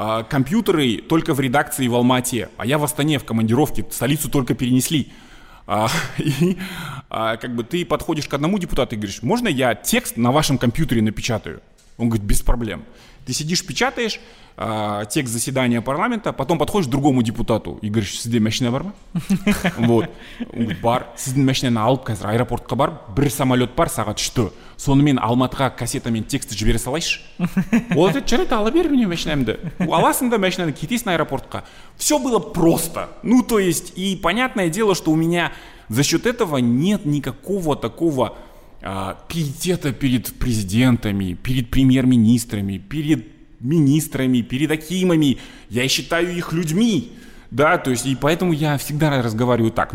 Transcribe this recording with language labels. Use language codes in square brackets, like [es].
[ru] Компьютеры только в редакции в Алмате, а я в Астане, в командировке, столицу только перенесли. Ты подходишь к одному депутату и говоришь, можно я текст на вашем компьютере напечатаю? Он говорит, без проблем. Ты сидишь, печатаешь текст заседания парламента, потом подходишь к другому депутату и говоришь, [kk] сізде машина бар ма? [ru] Вот. Он говорит, [kk] бар, сізде машина на алып, қазір аэропортқа бар, бір самолет бар, сағат үште. Сонымен Алматыға кассетамен тексті жібере салайшы. Ол айтады, жарайды, ала бер мені машинамды. Аласың да машинаны, кетесің аэропортқа. [ru] Все было просто. Ну, то есть, и понятное дело, что у меня за счет этого нет никакого такого пиетета перед президентами, перед премьер-министрами, перед министрами, перед акимами. Я считаю их людьми. Да, то есть, и поэтому я всегда разговариваю так.